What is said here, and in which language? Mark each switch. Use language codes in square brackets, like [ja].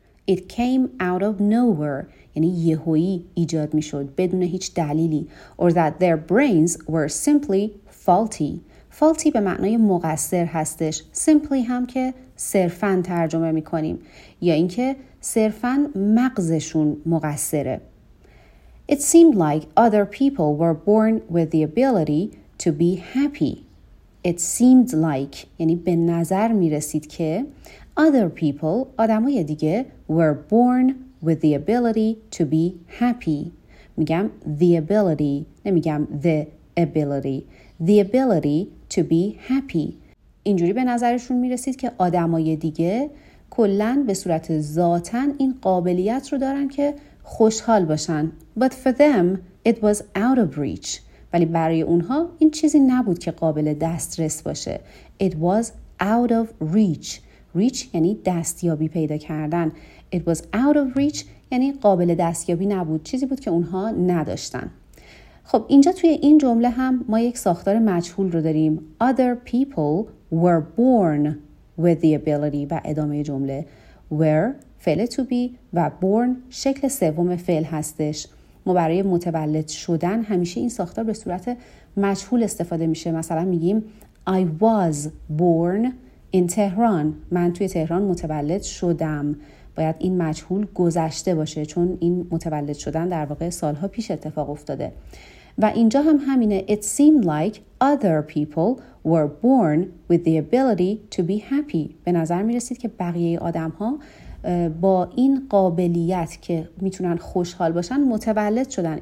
[en] It came out of nowhere [fa] یعنی یهویی ایجاد می شد بدون هیچ دلیلی. [en] Or that their brains were simply faulty. [fa] Faulty به معنای مقصر هستش. Simply هم که صرفاً ترجمه می کنیم. یا اینکه صرفاً مغزشون مقصره. [en] It seemed like other people were born with the ability to be happy. It seemed like [fa] یعنی به نظر می رسید که [en] other people [fa] آدم های دیگه [en] were born with the ability to be happy. [fa] میگم the ability، نمیگم the ability. [en] The ability to be happy. [fa] اینجوری به نظرشون میرسید که آدم های دیگه کلن به صورت ذاتن این قابلیت رو دارن که خوشحال باشن. [en] But for them, it was out of reach. [fa] ولی برای اونها این چیزی نبود که قابل دسترس باشه. [en] It was out of reach. [fa] Reach یعنی دستیابی پیدا کردن. [en] It was out of reach [fa] یعنی قابل دستیابی نبود. چیزی بود که اونها نداشتن. خب اینجا توی این جمله هم ما یک ساختار مجهول رو داریم. [en] Other people were born with the ability [fa] و ادامه جمله. Were فعل to be و born شکل سوم فعل هستش. ما برای متولد شدن همیشه این ساختار به صورت مجهول استفاده میشه. مثلا میگیم [en] I was born in Tehran. [fa] من توی تهران متولد شدم. باید این مجهول گذشته باشه چون این متولد شدن در واقع سالها پیش اتفاق افتاده. و اینجا هم همینه. [en] It seemed like other people were born with the ability to be happy. [fa] به نظر می رسید که بقیه آدم ها با این قابلیت که میتونن خوشحال باشن متولد شدن.